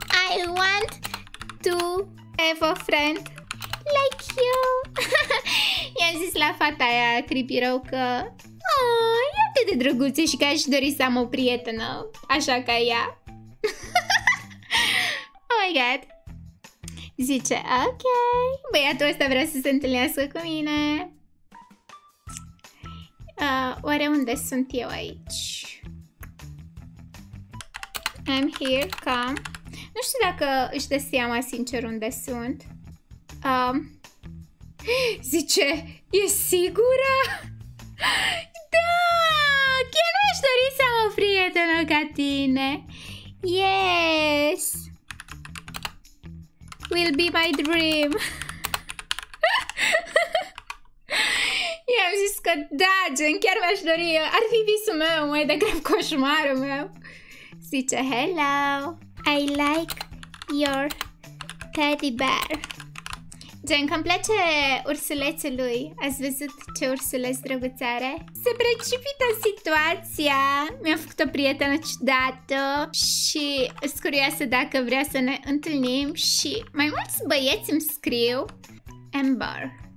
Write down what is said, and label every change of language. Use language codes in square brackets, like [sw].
[en] I want to have a friend like you. [ro] I-am zis la fata aia creepy rău că oh, e atât de drăguță și că aș dori să am o prietenă așa ca ea. [en] Oh my god. [ro] Zice, ok, băiatul ăsta vrea să se întâlnească cu mine. Oare unde sunt eu aici? [en] I'm here, come. [ro] Nu știu dacă își dă seama sincer unde sunt. Zice, e sigură? Da! Chiar nu aș dori să am o prietenă ca tine. [en] Yes! Will be my dream. [ro] I-am zis că da, gen, chiar mi-aș dori. Ar fi visul meu, mai degrab coșmarul meu. Zice, [en] hello, I like your teddy bear. [ro] Gen, că-mi place ursulețului. Ați văzut ce ursuleț drăguț are? Se precipită situația. Mi-a făcut o prietenă ciudată și sunt curioasă dacă vrea să ne întâlnim. Și mai mulți băieți îmi scriu Amber.